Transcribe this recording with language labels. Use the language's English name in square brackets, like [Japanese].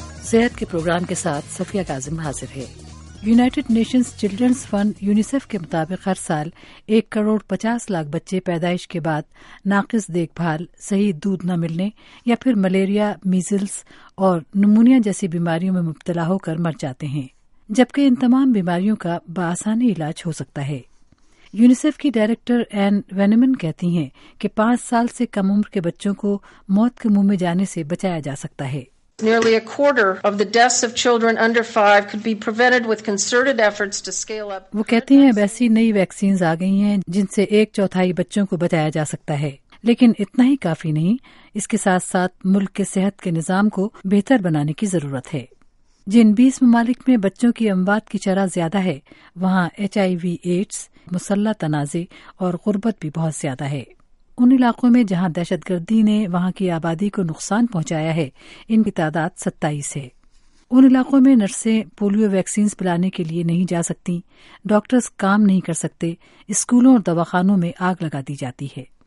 [Urdu] صحت کے پروگرام کے ساتھ صفیہ کاظم حاضر ہے۔ United nations children's fund UNICEF کے مطابق ہر سال 1.5 کروڑ بچے پیدائش کے بعد ناقص دیکھ بھال، صحیح دودھ نہ ملنے یا پھر ملیریا، میزلز اور نمونیا جیسی بیماریوں میں مبتلا ہو کر مر جاتے ہیں، جبکہ ان تمام بیماریوں کا بآسانی علاج ہو سکتا ہے۔ یونیسیف کی ڈائریکٹر این وینمن کہتی ہیں کہ 5 سال سے کم عمر کے بچوں کو موت کے منہ میں جانے سے بچایا جا سکتا ہے۔ [English] Nearly a quarter of the deaths of children under 5 could be prevented with concerted efforts to scale up. [Urdu] وہ کہتے ہیں اب ایسی نئی ویکسینز آ گئی ہیں جن سے 1/4 بچوں کو بچایا جا سکتا ہے، لیکن اتنا ہی کافی نہیں، اس کے ساتھ ساتھ ملک کے صحت کے نظام کو بہتر بنانے کی ضرورت ہے۔ جن 20 ممالک میں بچوں کی اموات کی شرح زیادہ ہے، وہاں HIV/AIDS، مسلح تنازع اور غربت بھی بہت زیادہ ہے۔ ان علاقوں میں جہاں دہشت گردی نے وہاں کی آبادی کو نقصان پہنچایا ہے، ان کی تعداد 27 ہے۔ ان علاقوں میں نرسیں پولیو ویکسینز پلانے کے لیے نہیں جا سکتی، ڈاکٹرز کام نہیں کر سکتے، اسکولوں اور دواخانوں میں آگ لگا دی جاتی ہے۔